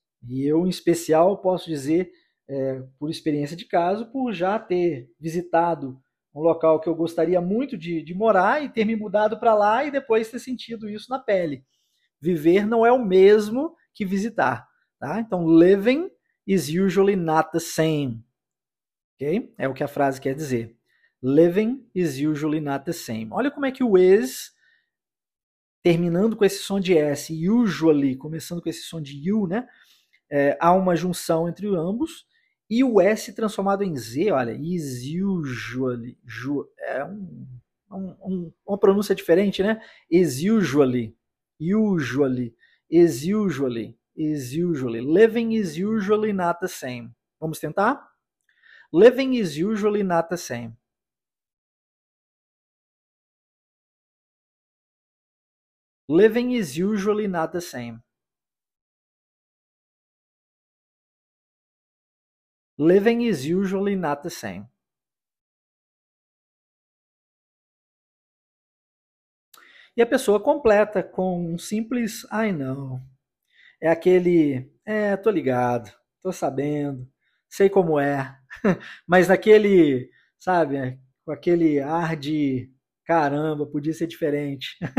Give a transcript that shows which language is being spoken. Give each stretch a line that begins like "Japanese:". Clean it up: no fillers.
Portuguese: E eu, em especial, posso dizer, por experiência de caso, por já ter visitado um local que eu gostaria muito de morar e ter me mudado para lá e depois ter sentido isso na pele. Viver não é o mesmo que visitar. Tá?
English: Então, living is usually not the same. Okay?
Portuguese: É o que a frase quer dizer.
English: Living is usually not the same.
Portuguese: Olha como é que o is, terminando com esse som de S, usually, começando com esse som de U, né? Há uma junção entre ambos. E o S transformado em Z, olha,
English: is usually.
Portuguese: É uma pronúncia diferente, né?
English: Is usually. Usually. Is usually. Is usually. Living is usually not the same.
Portuguese: Vamos tentar?
English: Living is usually not the same. Living is usually not the same. Living is usually not the same.
Portuguese: E a pessoa completa com um simples
English: I know.
Portuguese: É aquele, tô ligado, tô sabendo, sei como é, mas naquele, sabe, com aquele ar de caramba, podia ser diferente.